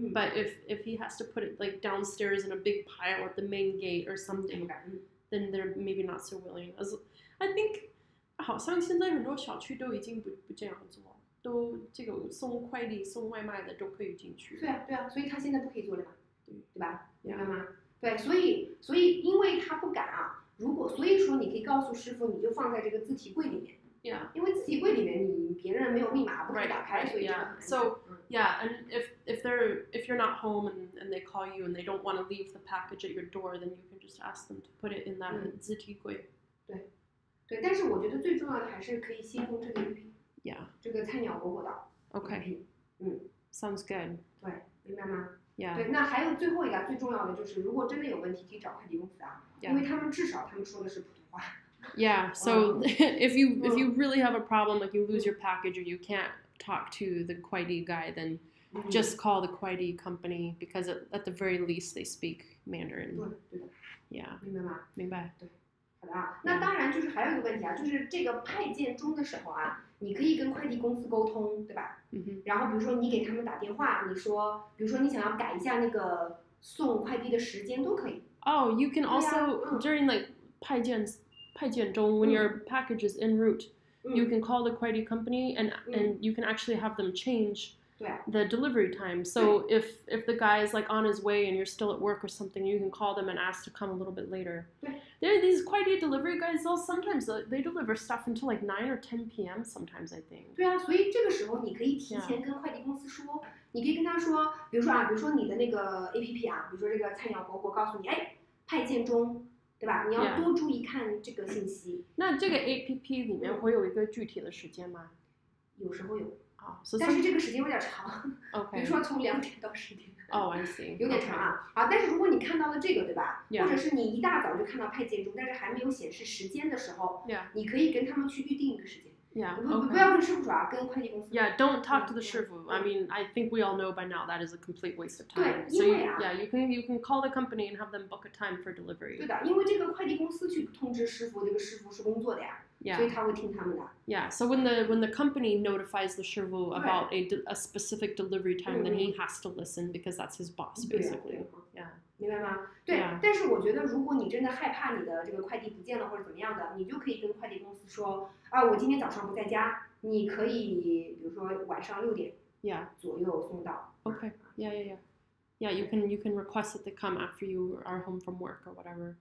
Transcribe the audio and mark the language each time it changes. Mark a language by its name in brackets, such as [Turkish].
[English] But if he has to put it like downstairs in a big pile at the main gate or something, then they're maybe not so willing. I think, [Chinese] 好像现在很多小区都已经不这样做了。对，都这个送快递送外卖的都可以进去。对啊对啊，所以他现在不可以做了吧，对吧？明白吗？ [English] Yeah. [Chinese] 对，所以因为他不敢啊，如果所以说你可以告诉师傅，你就放在这个字体柜里面。 [English] Yeah. [Chinese] 因为字体柜里面你别人没有密码，不可以打开， [English] right. [Chinese] 所以这个很安全。 [English] Yeah. So yeah, and if you're not home and they call you and they don't want to leave the package at your door, then you can just ask them to put it in that 字体柜。 [Chinese] 对，对，但是我觉得最重要的还是可以先用这个礼品。 [English] Yeah. [Chinese] 这个菜鸟裹裹的。 [English] Okay. 嗯。 Sounds good. [Chinese] 对，明白吗？ [English] Yeah. [Chinese] 对，那还有最后一个最重要的就是，如果真的有问题，可以找快递公司啊， [English] yeah. [Chinese] 因为他们至少他们说的是普通话。 [English] Yeah, so if you really have a problem, like you lose your package or you can't talk to the Kuaidi guy, then just call the Kuaidi company because at the very least they speak Mandarin. [Chinese] 对对的。 [English] Yeah. [Chinese] 明白吗？明白。对，好的啊。那当然就是还有一个问题啊，就是这个派件中的时候啊，你可以跟快递公司沟通，对吧？嗯。然后比如说你给他们打电话，你说，比如说你想要改一下那个送快递的时间都可以。 [English] Oh, you can also during like 派件。 派件中 when your package is en route, you can call the Kuaidi company and you can actually have them change the delivery time. So if the guy is like on his way and you're still at work or something, you can call them and ask to come a little bit later. These Kuaidi delivery guys, though, sometimes they deliver stuff until like 9 or 10 p.m. sometimes, I think. [Chinese] 对啊，所以这个时候你可以提前跟快递公司说，你可以跟他说，比如说啊，比如说你的那个 APP 啊，比如说这个菜鸟裹裹告诉你，哎，派件中。对吧？你要多注意看这个信息。 [English] Yeah. [Chinese] 那这个 APP 里面会有一个具体的时间吗？有时候有。 [English] 哦、oh, so ， [Chinese] 但是这个时间有点长。 [English] Okay. [Chinese] 比如说从2点到10点。 [English] 哦、oh, ，I see。 [Chinese] 有点长啊。 [English] Okay. [Chinese] 啊，但是如果你看到了这个，对吧？ [English] Yeah. [Chinese] 或者是你一大早就看到派件中，但是还没有显示时间的时候， [English] yeah. [Chinese] 你可以跟他们去预定一个时间。 [English] Yeah, okay. [Chinese] 不要跟师傅说啊，跟快递公司。 [English] Yeah, don't talk to the 师傅. I mean, I think we all know by now that is a complete waste of time. [Chinese] 对， [English] so、 [Chinese] 因为啊。 [English] Yeah, you can call the company and have them book a time for delivery. [Chinese] 对的，因为这个快递公司去通知师傅，这个师傅是工作的呀。 [English] Yeah. [Chinese] 所以他会听他们的。 [English] Yeah, so when the company notifies the 师傅 about a specific delivery time, then he has to listen because that's his boss, basically. [Chinese] 对 [English] 啊。Yeah. [Chinese] 明白吗？对， [English] yeah. [Chinese] 但是我觉得如果你真的害怕你的这个快递不见了或者怎么样的，你就可以跟快递公司说啊，我今天早上不在家，你可以比如说晚上6点左右送到。 [English] Yeah. Okay. Yeah, yeah, yeah. Yeah, you can request that they come after you are home from work or whatever.